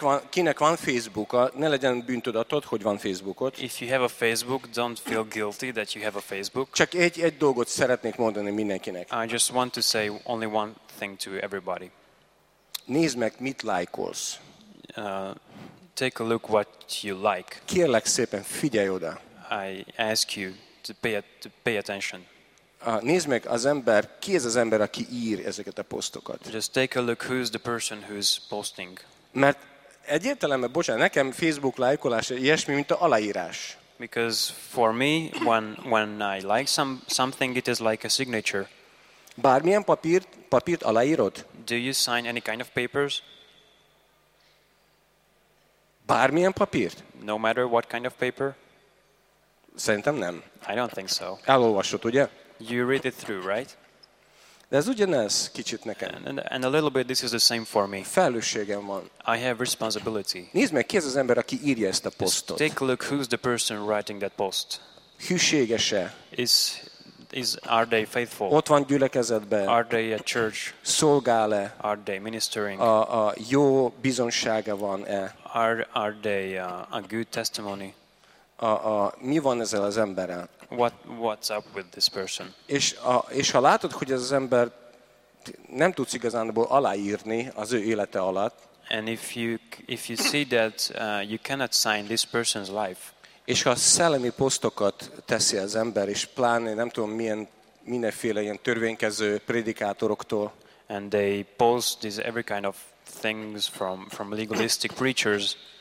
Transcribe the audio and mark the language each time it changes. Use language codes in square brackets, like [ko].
[hu] Kinek van Facebooka, ne legyen bűntudatod, hogy van Facebookot. [en] If you have a Facebook, don't feel guilty that you have a Facebook. [hu] Csak egy dolgot szeretnék mondani mindenkinek. [en] I just want to say only one thing to everybody. [hu] Nézd meg, mit lájkolsz. [en] Take a look what you like. [hu] Kérlek szépen, figyelj oda. [en] I ask you to pay attention. [hu] Nézd meg az ember, ki ez az ember, aki ír ezeket a posztokat. [en] Just take a look who's the person who's posting. [hu] Mert egyértelműen, bocsánat, nekem Facebook lájkolás ilyesmi, mint a aláírás. [en] Because for me, when I like something, it is like a signature. [hu] Bármilyen papírt aláírod? [en] Do you sign any kind of papers? [hu] Bármilyen papírt? [en] No matter what kind of paper? [hu] Szerintem nem. [en] I don't think so. [hu] Elolvasod, ugye? [en] You read it through, right? [hu] De ez ugyanez kicsit nekem. [en] And a little bit, this is the same for me. [hu] Felelősségem van. [en] I have responsibility. [hu] Nézd meg, ki ez az ember, aki írja ezt a posztot. [en] Just take a look who's the person writing that post. [hu] Hűséges-e? [en] Are they faithful? [hu] Ott van gyülekezetben. [en] Are they a church? [hu] Szolgál-e? [en] Are they ministering? [hu] A jó bizonsága van-e? [en] Are they a good testimony? [hu] Mi van ezzel az emberrel? [en] What's up with this person? [hu] És ha látod, hogy ez az ember nem tudsz igazából aláírni az ő élete alatt. [en] And if you see that you cannot sign this person's life. [hu] És ha szellemi posztokat teszi az ember, és pláne nem tudom milyen mindenféle ilyen törvénykező prédikátoroktól. [en] And they post these every kind of things from legalistic preachers.